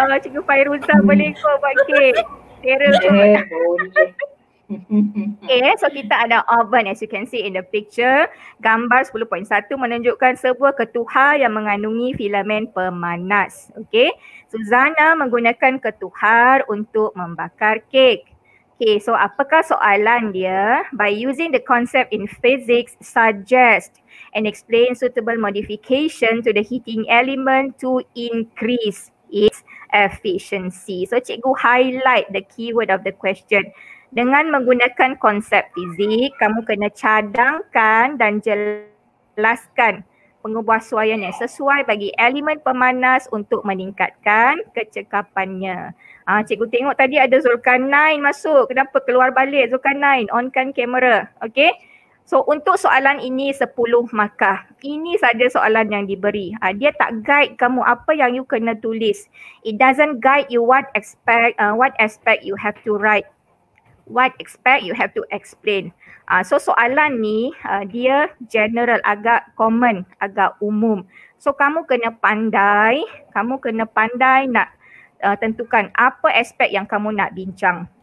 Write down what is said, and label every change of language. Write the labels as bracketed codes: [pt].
[ms] Cikgu Fairuzah boleh kau buat kek. [en] Okay, so [ms] kita ada [en] oven as you can see in the picture. [ms] Gambar 10.1 menunjukkan sebuah ketuhar yang mengandungi filamen pemanas. Okay, Susanna menggunakan ketuhar untuk membakar kek. Okay, so apakah soalan dia? [en] By using the concept in physics, suggest and explain suitable modification to the heating element to increase its efficiency. [ms] So cikgu [en] highlight the keyword of the question. [ms] Dengan menggunakan konsep fizik, kamu kena cadangkan dan jelaskan pengubahsuaiannya sesuai bagi elemen pemanas untuk meningkatkan kecekapannya. Ah, cikgu tengok tadi ada Zulkarnain masuk. Kenapa keluar balik Zulkarnain? Onkan kamera. Okay. So untuk soalan ini 10 markah. Ini saja soalan yang diberi. Dia tak guide kamu apa yang you kena tulis. [en] It doesn't guide you what aspect you have to write. What aspect you have to explain. So [ms] soalan ni dia general, agak common, agak umum. So kamu kena pandai, nak tentukan apa aspek yang kamu nak bincang.